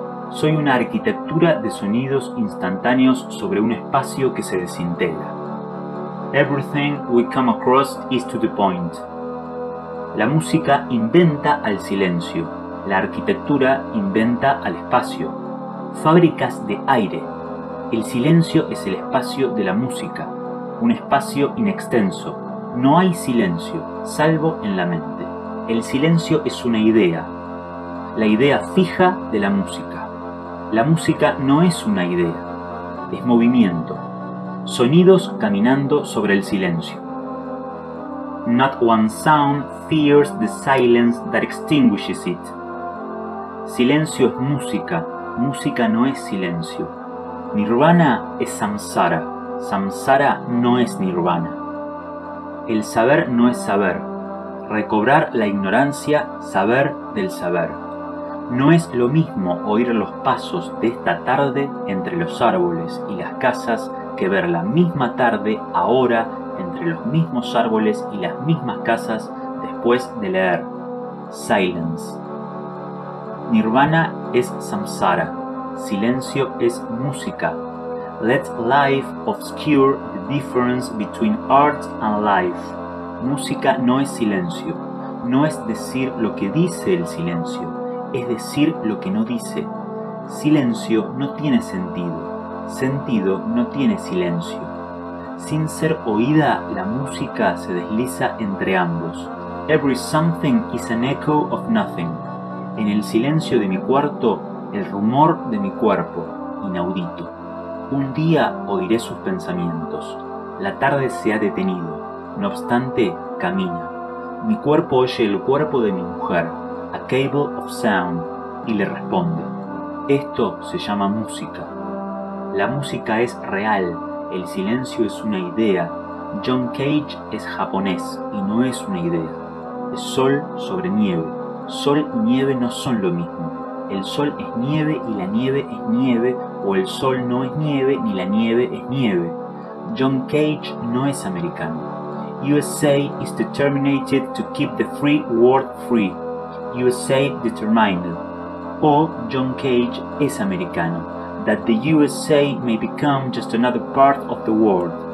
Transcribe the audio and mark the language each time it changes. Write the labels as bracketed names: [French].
[Spanish] Soy una arquitectura de sonidos instantáneos sobre un espacio que se desintegra. [English] Everything we come across is to the point. [Spanish] La música inventa al silencio. La arquitectura inventa al espacio. Fábricas de aire. El silencio es el espacio de la música. Un espacio inextenso. No hay silencio, salvo en la mente. El silencio es una idea. La idea fija de la música. La música no es una idea, es movimiento. Sonidos caminando sobre el silencio. [English] Not one sound fears the silence that extinguishes it. [Spanish] Silencio es música, música no es silencio. Nirvana es samsara, samsara no es nirvana. El saber no es saber. Recobrar la ignorancia, saber del saber. No es lo mismo oír los pasos de esta tarde entre los árboles y las casas que ver la misma tarde ahora entre los mismos árboles y las mismas casas después de leer. Silence. Nirvana es samsara. Silencio es música. [English] Let life obscure the difference between art and life. [Spanish] Música no es silencio. No es decir lo que dice el silencio. Es decir lo que no dice. Silencio no tiene sentido. Sentido no tiene silencio. Sin ser oída, la música se desliza entre ambos. [English] Every something is an echo of nothing. [Spanish] En el silencio de mi cuarto, el rumor de mi cuerpo, inaudito. Un día oiré sus pensamientos. La tarde se ha detenido. No obstante, camina. Mi cuerpo oye el cuerpo de mi mujer. [English] A cable of sound, [Spanish] y le responde. Esto se llama música. La música es real, el silencio es una idea. John Cage es japonés y no es una idea. Es sol sobre nieve. Sol y nieve no son lo mismo. El sol es nieve y la nieve es nieve, o el sol no es nieve ni la nieve es nieve. John Cage no es americano. [English] USA is determined to keep the free world free. USA determined. [Spanish] O John Cage es americano. [English] That the USA may become just another part of the world.